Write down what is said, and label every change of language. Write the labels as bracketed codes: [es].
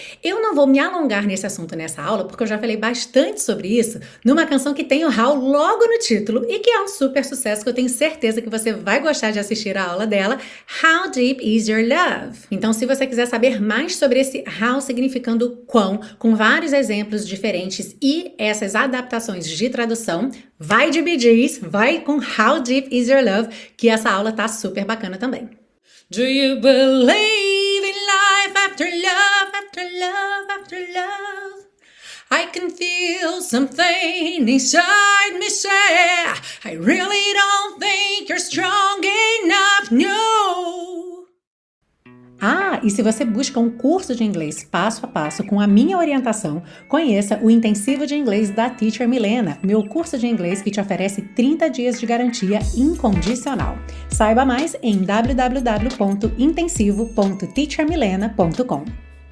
[pt] Eu não vou me alongar nesse assunto nessa aula, porque eu já falei bastante sobre isso numa canção que tem o how logo no título e que é um super sucesso que eu tenho certeza que você vai gostar de assistir a aula dela, How Deep Is Your Love? Então, se você quiser saber mais sobre esse how significando quão, com vários exemplos diferentes e essas adaptações de tradução, vai de Bee Gees, vai com How Deep Is Your Love, que essa aula tá super bacana também. [en] Do you believe in life after love, after love, after love? I can feel something inside me say, I really don't think you're strong enough, no. [pt] Ah, e se você busca um curso de inglês passo a passo com a minha orientação, conheça o Intensivo de Inglês da Teacher Milena, meu curso de inglês que te oferece 30 dias de garantia incondicional. Saiba mais em www.intensivo.teachermilena.com.